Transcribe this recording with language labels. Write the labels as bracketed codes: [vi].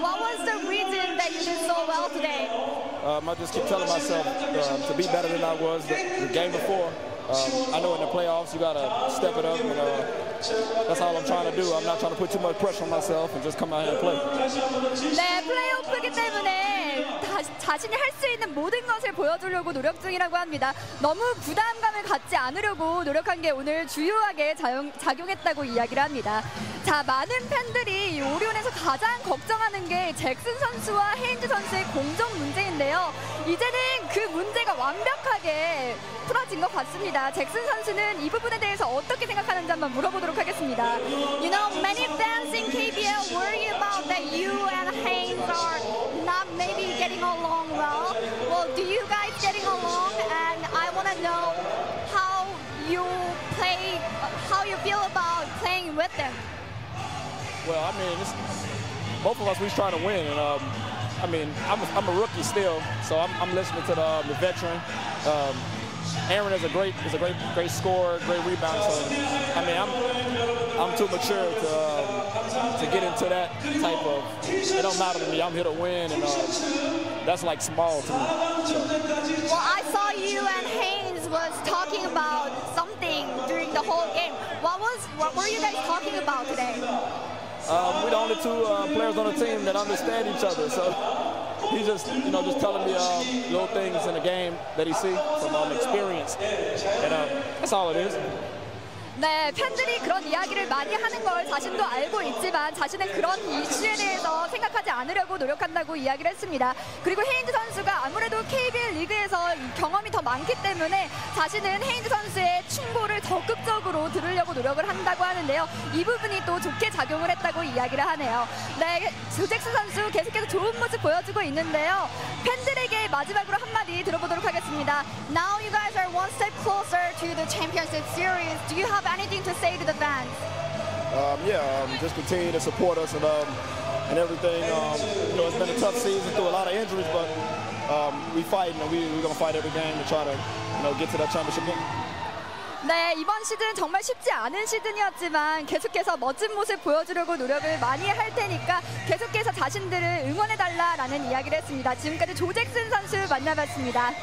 [en] What was the reason that you did so well today? I just keep telling myself to be better than I was the game before. I know in the playoffs you gotta step it up, and that's all I'm trying to do. I'm not trying to put too much pressure on myself and just come out here and play. [ko] 네, 플레이오프이기 때문에 자신이 할 수 있는 모든 것을 보여주려고 노력 중이라고 합니다. 너무 부담감을 갖지 않으려고 노력한 게 오늘 주요하게 작용했다고 이야기를 합니다. 자, 많은 팬들이 오리온에서 가장 걱정하는 게 잭슨 선수와 헤인즈 선수의 공정 문제인데요. 이제는 그 문제가 완벽하게 풀어진 것 같습니다. 잭슨 선수는 이 부분에 대해서 어떻게 생각하는지 한번 물어보도록 하겠습니다. [en] You know, many fans in KBL worry about that you and Haynes are not maybe getting along well. Well, do you guys getting along? And I want to know how you play, how you feel about playing with them. Well, I mean, both of us, we're trying to win. And, I mean, I'm a rookie still, so I'm listening to the veteran. Aaron is a great scorer, great rebounder. So, I mean, I'm too mature to get into that type of. It don't matter to me. I'm here to win, and that's like small to me. So. Well, I saw you and Haynes was talking about something during the whole game. What were you guys talking about today? We're the only two players on the team that understand each other. So. He's just, you know, just telling me little things in the game that he see from experience. And that's all it is. [ko] 네, 팬들이 그런 이야기를 많이 하는 걸 자신도 알고 있지만 자신의 그런 이슈에 대해서 생각하지 않으려고 노력한다고 이야기를 했습니다. 그리고 헤인즈 선수가 아무래도 KBL 리그에서 경험이 더 많기 때문에 자신은 헤인즈 선수의 충고를 적극적으로 들으려고 노력을 한다고 하는데요. 이 부분이 또 좋게 작용을 했다고 이야기를 하네요. 네, 조잭슨 선수 계속해서 좋은 모습 보여주고 있는데요. 팬들에게 마지막으로 한마디 들어보도록 하겠습니다. [en] Now you guys are one step closer to the championship series. Do you have anything to say to the fans? Just continue to support us and everything. You know, it's been a tough season through a lot of injuries, but we fight and we're gonna fight every game to try to, you know, get to that championship game. [ko] 네, 이번 시즌 정말 쉽지 않은 시즌이었지만 계속해서 멋진 모습 보여주려고 노력을 많이 할 테니까 계속해서 자신들을 응원해달라라는 이야기를 했습니다. 지금까지 조잭슨 선수 만나봤습니다.